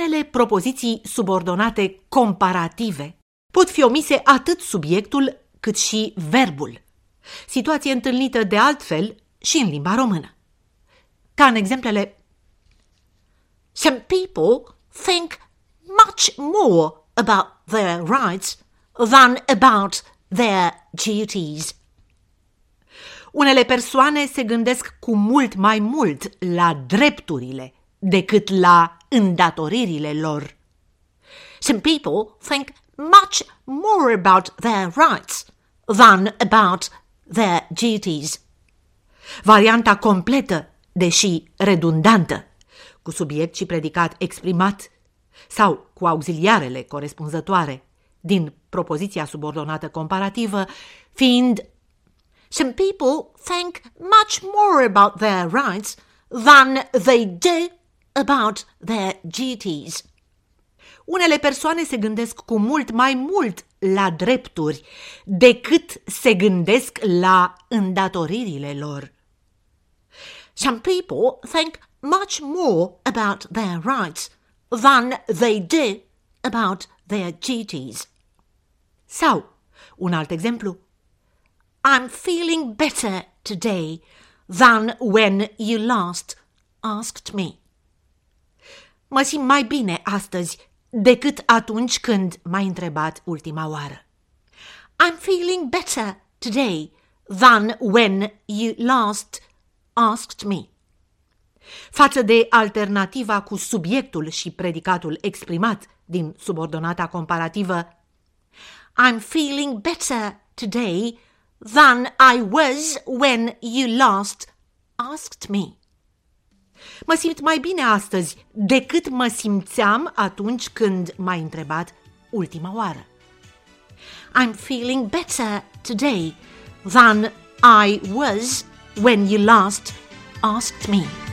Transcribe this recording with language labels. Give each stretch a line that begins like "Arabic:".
Romanian: Propoziții subordonate comparative pot fi omise atât subiectul cât și verbul. Situație întâlnită de altfel și în limba română. Ca în exemplele:
English: Some people think much more about their rights than about their duties.
Romanian: Unele persoane se gândesc cu mult mai mult la drepturile decât la îndatoririle lor.
English: Some people think much more about their rights than about their duties.
Romanian: Varianta completă, deși redundantă, cu subiect și predicat exprimat sau cu auxiliarele corespunzătoare din propoziția subordonată comparativă, fiind:
English: Some people think much more about their rights than they do about their duties.
Romanian: Unele persoane se gândesc cu mult mai mult la drepturi decât se gândesc la îndatoririle lor.
English: Some people think much more about their rights than they do about their duties.
Romanian: Sau, un alt exemplu:
English: I'm feeling better today than when you last asked me.
Romanian: Mă simt mai bine astăzi decât atunci când m-ai întrebat ultima oară.
English: I'm feeling better today than when you last asked me.
Romanian: Față de alternativa cu subiectul și predicatul exprimat din subordonata comparativă:
English: I'm feeling better today than I was when you last asked me.
Romanian: Mă simt mai bine astăzi decât mă simțeam atunci când m-ai întrebat ultima oară.
English: I'm feeling better today than I was when you last asked me.